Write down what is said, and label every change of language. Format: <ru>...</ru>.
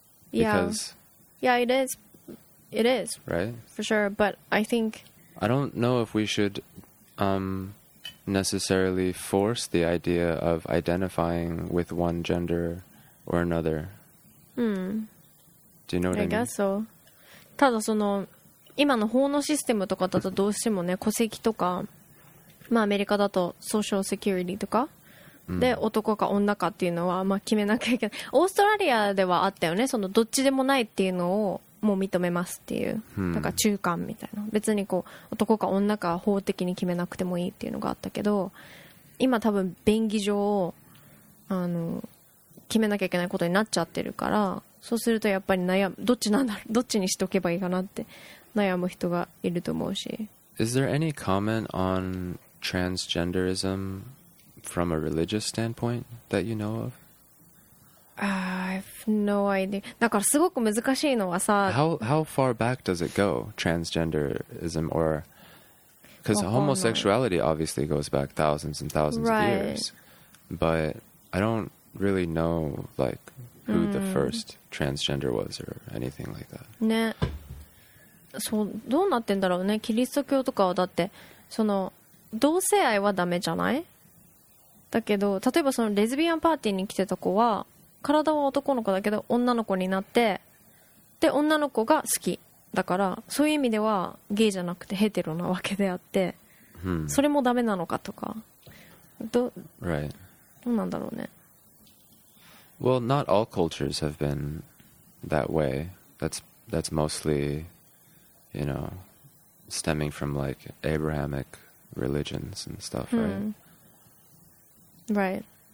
<en>Yeah. Because. Yeah, it is. It is. Right. For sure. But I think... I don't know if we should necessarily force the idea of identifying with one gender or another. Do you know what I mean? I guess so.</en> <ja>ただその、今の法のシステムとかだとどうしてもね、戸籍とか、まあアメリカだとソーシャルセキュリティとか、で男か女かっていうのはまあ決めなきゃいけない。オーストラリアではあったよね、そのどっちでもないっていうのを、もう認めますっていう、なんか中間みたいな、別にこう男か女か法的に決めなくてもいいっていうのがあったけど、今多分便宜上決めなきゃいけないことになっちゃってるから、そうするとやっぱり悩む、どっちなんだろう、どっちにしとけばいいかなって悩む人がいると思うし。</ja> <en>Is there any comment on transgenderism from a religious standpoint that you know of? I've no idea.</en> <ja>だからすごく難しいのはさ、</ja> <en>How far back does it go? Transgenderism or... Because homosexuality obviously goes back thousands and thousands、 right. of years. But I don't really know like, who、the first transgender was or anything like that.</en> <ja>ね。そう、どうなってんだろうね。キリスト教とかはだって、その、同性愛はダメじゃない? だけど、例えばそのレズビアンパーティーに来てた子は、体は男の子だけど女の子になって、で女の子が好きだから、そういう意味ではゲイじゃなくてヘテロなわけであって、それもダメなのかとか、</ja> <en>right.</en> <ja>どうなんだろうね。</ja> <en>Well, not all cultures have been that way. That's mostly, you know, stemming from like Abrahamic religions and stuff, right? Right.</en>